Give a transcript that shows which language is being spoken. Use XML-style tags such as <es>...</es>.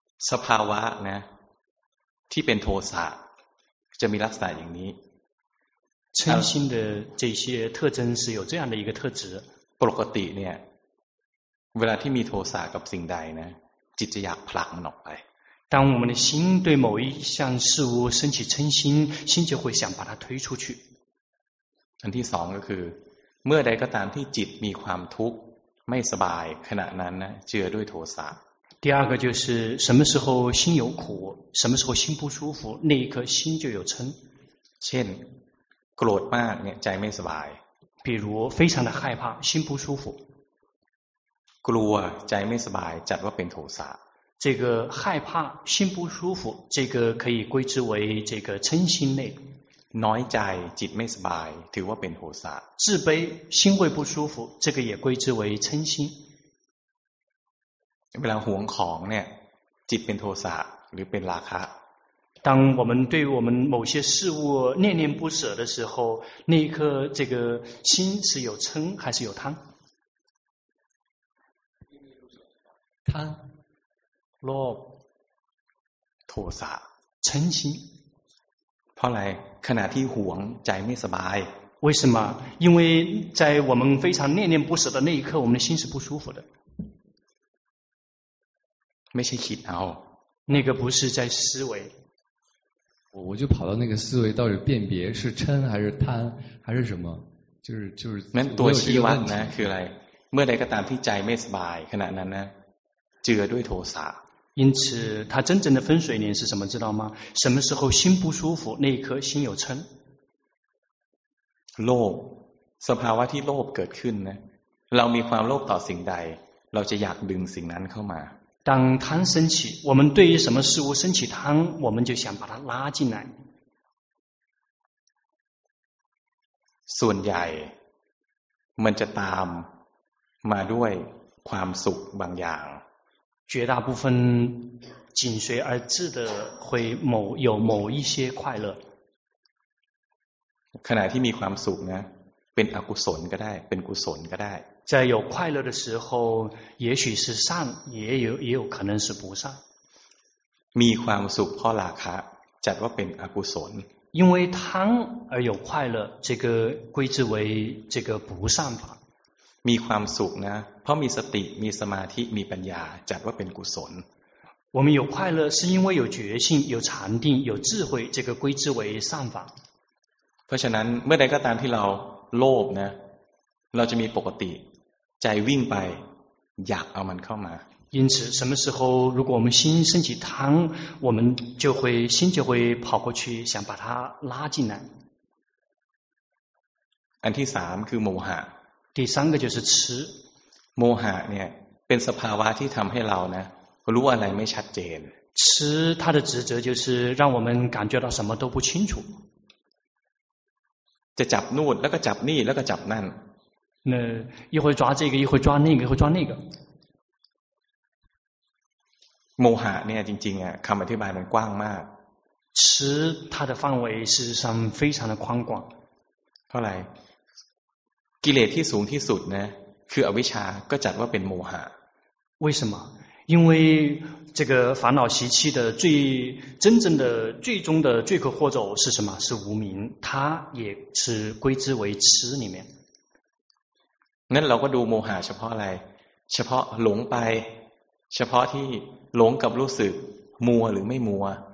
<th>สภาวะนะที่เป็นโทสะจะมีลักษณะอย่างนี้</th> <zh>嗔心的这些特征是有这样的一个特质。</zh> <th>ปกติเนี่ยเวลาที่มีโทสะกับสิ่งใดนะจิตจะอยากผลักมันออกไป</th> <zh>当我们的心对某一项事物升起嗔心心就会想把它推出去</zh> <th>อันที่สองก็คือเมื่อใดก็ตามที่จิตมีความทุกข์ไม่สบายขณะนั้นนะเจือด้วยโทสะ</th> <zh>第二个就是什么时候心有苦什么时候心不舒服那一刻心就有嗔</zh> <th>เช่นโกรธมากเนี่ยใจไม่สบาย</th> <zh>比如非常的害怕心不舒服</zh> <th>กลัวใจไม่สบายจัดว่าเป็นโทสะ</th> <zh>这个害怕心不舒服这个可以归之为这个嗔心类</zh> <th>น้อยใจจิตไม่สบายถือว่าเป็นโทสะ</th> <zh>自卑心会不舒服这个也归之为嗔心</zh> <th>เวลาหวงของเนี่ยจิตเป็นโทสะหรือเป็นราคะ</th> <zh>当我们对我们某些事物念念不舍的时候那一刻这个心是有嗔还是有贪贪落妥撒嗔心后来看哪天黄在没什么为什么因为在我们非常念念不舍的那一刻我们的心是不舒服的没事情啊那个不是在思维我就跑到那个思维到底辨别是嗔还是贪还是什么就是那多希望呢</zh> <th>คืออะไรเมื่อใดก็ตามที่ใจไม่สบายขณะนั้นนะเจือด้วยโทสะ</th> <zh>因此它真正的分水岭是什么知道吗什么时候心不舒服那一刻心有嗔</zh> <th>โลภสภาวะที่โลภเกิดขึ้นนะเรามีความโลภต่อสิ่งใดเราจะอยากดึงสิ่งนั้นเข้ามา</th> <zh>当贪升起我们对于什么事物升起贪我们就想把它拉进来</zh> <th>ส่วนใหญ่มันจะตามมาด้วยความสุขบางอย่าง</th> <zh>绝大部分紧随而至的会有某一些快乐</zh> <th>ขณะที่มีความสุขนะเป็นอกุศลก็ได้เป็นกุศลก็ได้</th> <zh>在有快乐的时候也许是善也有可能是不善</zh> <th>มีความสุขเพราะราคะจัดว่าเป็นอกุศล</th> <zh>因为贪而有快乐这个归之为这个不善法</zh> <th>มีความสุขนะเพราะมีสติมีสมาธิมีปัญญาจัดว่าเป็นกุศล</th> <zh>我们有快乐是因为有觉性有禅定有智慧这个归之为善法</zh> <th>เพราะฉะนั้นเมื่อใดก็ตามที่เราโลภนะเราจะมีปกติใจวิ่งไปอยากเอามันเข้ามา</th> <zh>因此什么时候如果我们心升起贪我们就会心就会跑过去想把它拉进来</zh> <th>อันที่สามคือโมหะ</th> <zh>第三个就是痴</zh> <th>โมหะเนี่ยเป็นสภาวะที่ทำให้เรานะรู้อะไรไม่ชัดเจน</th> <zh>痴它的职责就是让我们感觉到什么都不清楚</zh> <th>จะจับนู่นแล้วก็จับนี่แล้วก็จับนั่น</th> <zh>那一会抓这个一会抓那个一会抓那个</zh> <th>โมหะเนี่ยจริงๆอ่ะคำอธิบายมันกว้างมาก</th> <zh>痴它的范围事实上非常的宽广</zh> <th>เท่าไหร่กิเลสที่สูงที่สุดนะคืออวิชชาก็จัดว่าเป็นโมหะ</th> <zh>为什么因为这个烦恼习气的最真正的最终的罪魁祸首是什么是无明它也是归之为痴里面</zh> <th>งั้นเราก็ดูโมหะเฉพาะอะไรเฉพาะหลงไปเฉพาะที่หลงกับรู้สึกมัวหรือไม่มัว</th>